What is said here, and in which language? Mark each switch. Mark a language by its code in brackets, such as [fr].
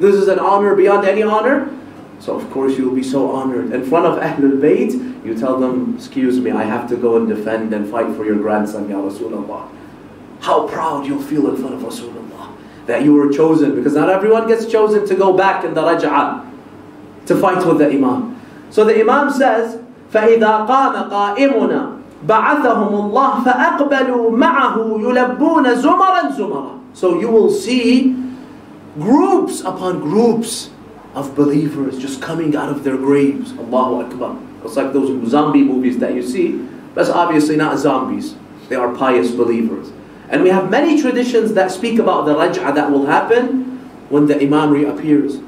[en] This is an honor beyond any honor. So of course you will be so honored. In front of Ahlul Bayt, you tell them, excuse me, I have to go and defend and fight for your grandson, Ya Rasulullah. How proud you'll feel in front of Rasulullah that you were chosen, because not everyone gets chosen to go back in the raj'ah to fight with the Imam. So the Imam says, [ar] فَإِذَا قَامَ قَائِمُنَا بَعَثَهُمُ اللَّهُ فَأَقْبَلُوا مَعَهُ يُلَبُّونَ زُمَرًا زُمَرًا. [en] So you will see groups upon groups of believers just coming out of their graves. Allahu Akbar. It's like those zombie movies that you see. That's obviously not zombies. They are pious believers. And we have many traditions that speak about the raj'ah that will happen when the Imam reappears.